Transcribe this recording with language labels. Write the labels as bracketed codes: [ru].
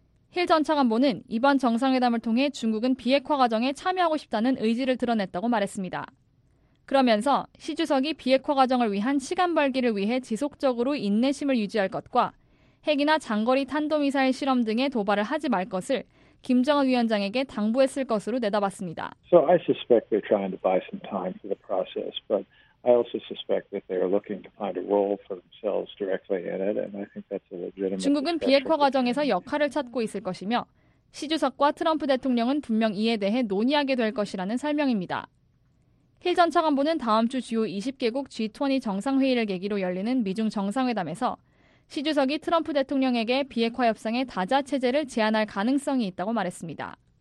[ko] 힐 전 차관보는 이번 정상회담을 통해 중국은 비핵화 과정에 참여하고 싶다는 의지를 드러냈다고 말했습니다. 그러면서 시 주석이 비핵화 과정을 위한 시간 벌기를 위해 지속적으로 인내심을 유지할 것과 핵이나 장거리 탄도미사일 실험 등의 도발을 하지 말 것을 김정은 위원장에게 당부했을 것으로 내다봤습니다. [en] So I suspect they're trying to buy some time for the process, but I also suspect that they are looking to find a role for themselves directly in it, and I think that's a legitimate. [ko] 중국은 비핵화 과정에서 역할을 찾고 있을 것이며 시 주석과 트럼프 대통령은 분명 이에 대해 논의하게 될 것이라는 설명입니다. 힐 전 차관보는 다음 주 주요 20개국 G20 정상회의를 계기로 열리는 미중 정상회담에서 시 주석이 트럼프 대통령에게 비핵화 협상의 다자 체제를 제안할 가능성이 있다고 말했습니다.